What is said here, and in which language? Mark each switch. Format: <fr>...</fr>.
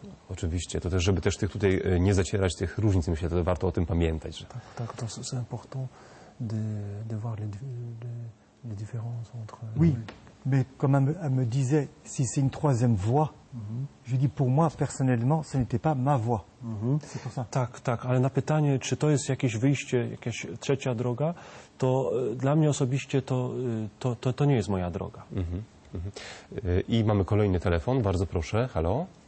<pl>Oczywiście, to też, żeby też tych tutaj nie zacierać tych różnic, myślę, to warto o tym pamiętać. Że... Tak, to jest</pl> <fr>important de voir les différences entre. Oui, mais comme elle me disait, si c'est une troisième voie, je dis pour moi personnellement, ce n'était pas ma voie.</fr> <pl>Tak, ale na pytanie, czy to jest jakieś wyjście, jakaś trzecia droga, to dla mnie osobiście to nie jest moja droga. I mamy kolejny telefon, bardzo proszę, halo.</pl>